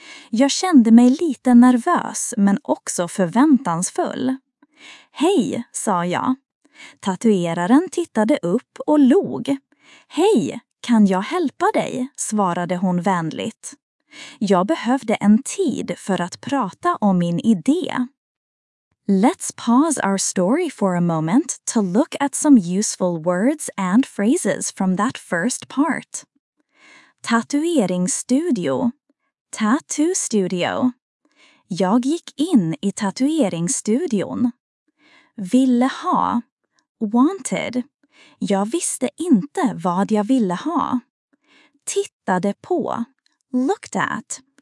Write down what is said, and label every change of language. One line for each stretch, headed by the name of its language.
Swedish: Jag kände mig lite nervös men också förväntansfull. Hej, sa jag. Tatueraren tittade upp och log. Hej, kan jag hjälpa dig? Svarade hon vänligt. Jag behövde en tid för att prata om min idé.
English: Let's pause our story for a moment to look at some useful words and phrases from that first part.
Swedish: Tatuering studio.
English: Tattoo studio.
Swedish: Jag gick in i tatueringsstudion. Ville ha.
English: Wanted.
Swedish: Jag visste inte vad jag ville ha. Tittade på.
English: Looked at.